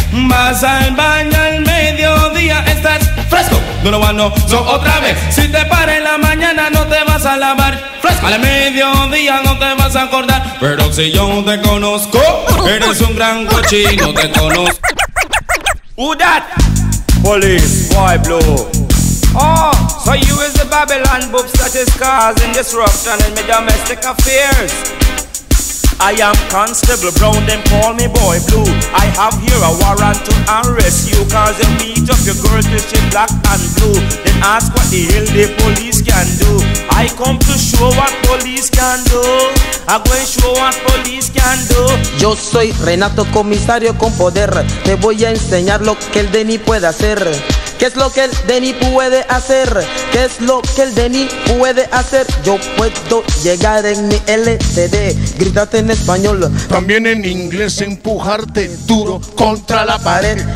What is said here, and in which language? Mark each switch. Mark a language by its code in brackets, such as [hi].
[es] Vas al baño al mediodía, estás fresco. Número uno, so otra vez. Si te paras en la mañana, no te vas a lavar. Fresco. Al mediodía, no te vas a acordar. Pero si yo te conozco, eres un gran cochino, te conozco. [en] Who that? Police, boy blue. Oh, so you is the Babylon books that is causing disruption in my domestic affairs. I am Constable Brown, them call me Boy Blue. I have here a warrant to arrest you, cause you beat up your girl till she black and blue. Then ask what the hell the police can do. I come to show what police can do. I go and show what police can do. [es] Yo soy Renato, comisario con poder. Te voy a enseñar lo que el Denny puede hacer. ¿Qué es lo que el Denny puede hacer? ¿Qué es lo que el Denny puede hacer? Yo puedo llegar en mi LCD, gritarte en español, también en inglés, empujarte duro contra la pared